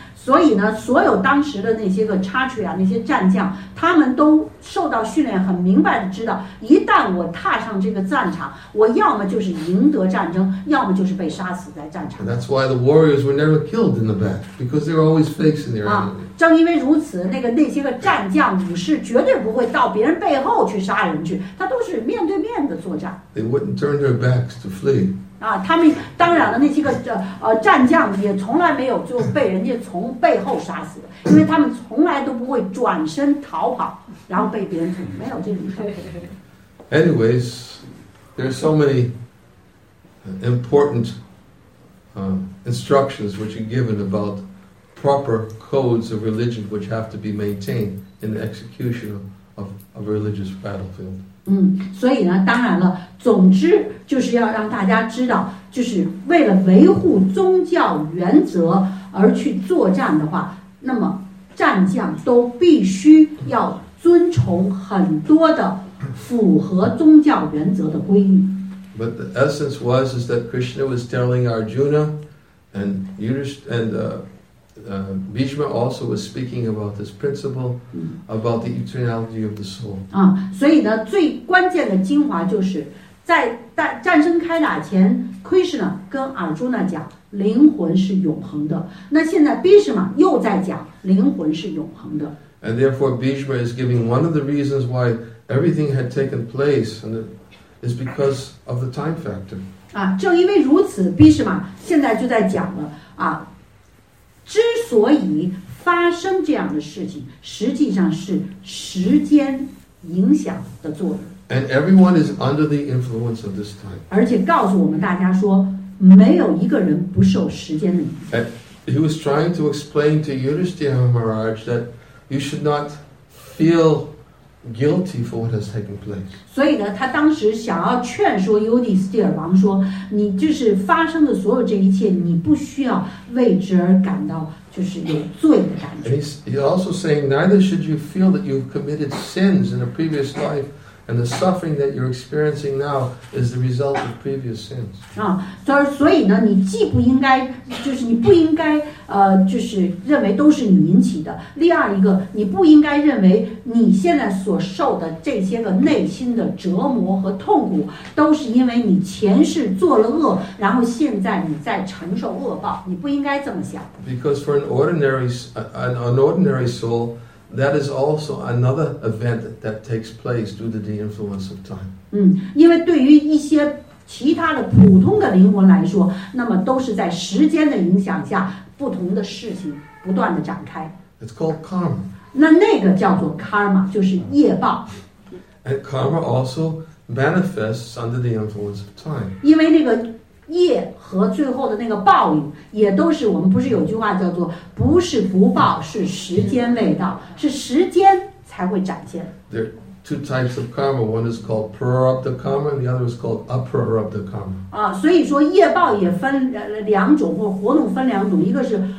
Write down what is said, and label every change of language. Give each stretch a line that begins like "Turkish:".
Chinese: 所以呢，所有当时的那些个Kshatriya那些战将，他们都受到训练，很明白的知道，一旦我踏上这个战场，我要么就是赢得战争，要么就是被杀死在战场。
English: And that's why the warriors were never killed in the back, because they were always facing their enemy.
Chinese: 正因为如此，那些个战将武士绝对不会到别人背后去杀人去，他都是面对面的作战。
English: They wouldn't turn their backs to flee.
Chinese: 他们当然了，那些个战将也从来没有就被人家从背后杀死，因为他们从来都不会转身逃跑，然后被别人从没有这种事。
English: Anyways, there are so many important instructions which are given about proper codes of religion which have to be maintained in the execution of religious battlefield.
Chinese: 所以呢，当然了，总之就是要让大家知道，就是为了维护宗教原则而去作战的话，那么战将都必须要遵从很多的符合宗教原则的规律。
English: But the essence was is that Krishna was telling Arjuna, and Bhishma also was speaking about this principle about the eternality of the soul.
Chinese: 所以呢，最关键的精华就是在战争开打前 ，Krishna 跟 Arjuna 讲灵魂是永恒的。那现在 Bhishma 又在讲灵魂是永恒的。
English: And therefore, Bhishma is giving one of the reasons why everything had taken place, and it's because of the time factor.
Chinese: 正因为如此 ，Bhishma 现在就在讲了啊。之所以发生这样的事情，实际上是时间影响的作用。
English: And everyone is under the influence of this time.
Chinese: 而且告诉我们大家说，没有一个人不受时间的影响。
English: And he was trying to explain to Yudhishthira Maharaj that you should not feel guilty for what has taken place.
Chinese: 所以呢，他当时想要劝说尤迪斯蒂尔王说，你就是发生的所有这一切，你不需要为之而感到就是有罪的感觉。
English: He's also saying neither should you feel that you've committed sins in a previous life, and the suffering that you're experiencing now is the result of previous sins.
Chinese: 所以呢，你既不应该，就是你不应该，就是认为都是你引起的。第二一个，你不应该认为你现在所受的这些个内心的折磨和痛苦，都是因为你前世做了恶，然后现在你在承受恶报。你不应该这么想。
English: Because for an ordinary soul, that is also another event that takes place due to the influence of time.
Chinese: 因为对于一些其他的普通的灵魂来说，那么都是在时间的影响下。不同的事情不断的展开。
English: It's called karma.
Chinese: 那个叫做 karma， 就是业报。
English: And karma also manifests under the influence of time.
Chinese: 因为那个业和最后的那个报应，也都是我们不是有句话叫做“不是不报，是时间未到”，是时间才会展现。
English: There are two types of karma. One is called prarabdha karma, and the other is called aprarabdha karma.
Chinese: 所以说业报也分两种，或活动分两种，一个是